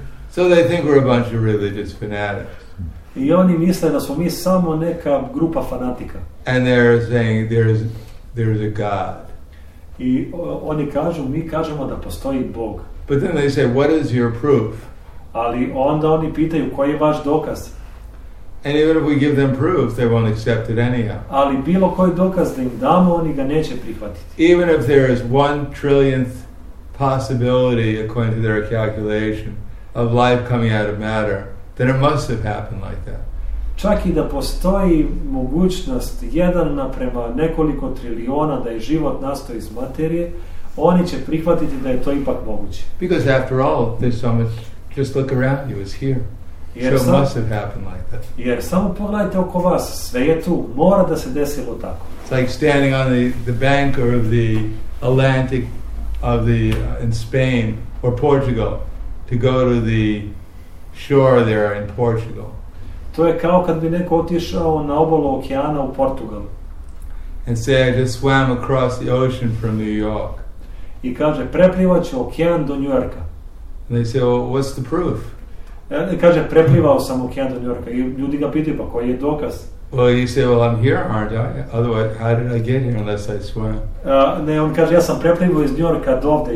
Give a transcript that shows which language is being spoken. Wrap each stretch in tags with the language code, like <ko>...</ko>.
<en>So they think we're a bunch of religious fanatics.</en> <sr>I oni misle da smo mi samo neka grupa fanatika.</sr> <en>And they're saying there is a God.</en> <sr>I oni kažu, mi kažemo da postoji Bog.</sr> <en>But then they say, what is your proof?</en> <sr>Ali onda oni pitaju, koji je vaš dokaz?</sr> <en>And even if we give them proof, they won't accept it anyhow.</en> <sr>Ali bilo koji dokaz da im damo, oni ga neće prihvatiti.</sr> <en>Even if there is one trillionth possibility, according to their calculation, of life coming out of matter, then it must have happened like that.</en> <sr>Čak i da postoji mogućnost jedan naprema nekoliko trilijona da je život nastao iz materije, oni će prihvatiti da je to ipak moguće.</sr> <en>Because after all, there's so much, just look around you, it's here.</en> <sr>Jer</sr> <en>so it must have happened like that.</en> <sr>Jer samo pogledajte oko vas, sve je tu, mora da se desilo tako.</sr> <en>It's like standing on the bank of the Atlantic of the in Spain or Portugal to go to the shore there in Portugal.</en> <sr>To je kao kad bi neko otišao na obalu okeana u Portugal.</sr> <en>And say, I just swam across the ocean from New York.</en> <sr>I kaže, preplivao sam okean do New Yorka.</sr> <en>And they say, well, what's the proof?</en> <sr>I kaže, preplivao sam okean do New Yorka. I ljudi ga pitaju, pa koji je dokaz?</sr> <en>Well, you say, well, I'm here, aren't I? Otherwise, how did I get here unless I swam?</en> <sr>Ne, on kaže, ja sam preplivao iz New Yorka do ovde.</sr>